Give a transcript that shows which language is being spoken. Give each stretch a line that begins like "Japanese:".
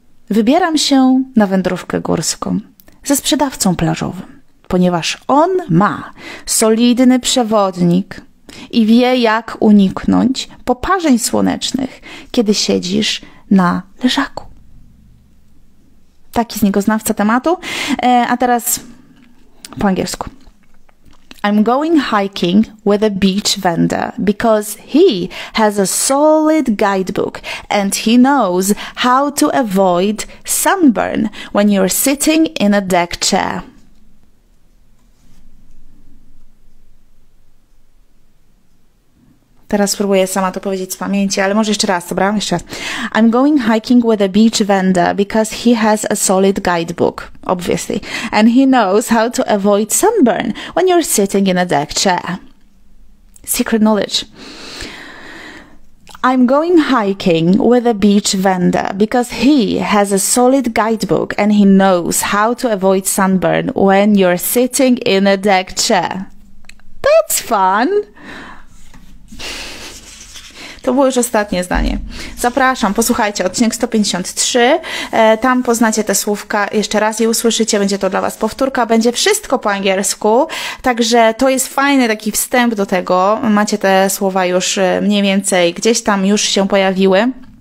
Polish: Wybieram się na wędrówkę górską ze sprzedawcą plażowym, ponieważ on ma solidny przewodnik i wie, jak uniknąć poparzeń słonecznych, kiedy siedzisz na leżaku. Taki z niego znawca tematu. A teraz po angielsku.
English: I'm going hiking with a beach vendor because he has a solid guidebook and he knows how to avoid sunburn when you're sitting in a deck chair.
Polish: Teraz spróbuję sama to powiedzieć z pamięci, ale może jeszcze raz, dobra? Jeszcze raz.
English: I'm going hiking with a beach vendor because he has a solid guidebook, obviously. And he knows how to avoid sunburn when you're sitting in a deck chair. Secret knowledge. I'm going hiking with a beach vendor because he has a solid guidebook and he knows how to avoid sunburn when you're sitting in a deck chair. That's fun!
Polish: To było już ostatnie zdanie. Zapraszam, posłuchajcie, odcinek 153. Tam poznacie te słówka jeszcze raz i usłyszycie, będzie to dla Was powtórka, będzie wszystko po angielsku, także to jest fajny taki wstęp do tego. Macie te słowa już mniej więcej gdzieś tam już się pojawiły.